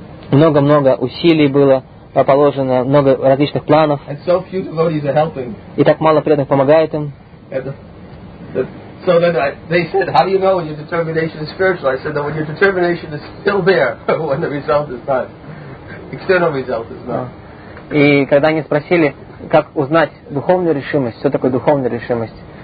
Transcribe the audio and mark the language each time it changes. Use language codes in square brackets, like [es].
[ru] Много-много усилий было положено, много различных планов. [en] And so few devotees are helping. [ru] И так мало преданных помогает им. [en] So then they said, how do you know when your determination is spiritual? I said that when your determination is still there, when the result is not. External result is not. [ru] И когда они спросили, как узнать духовную решимость, что такое духовная решимость?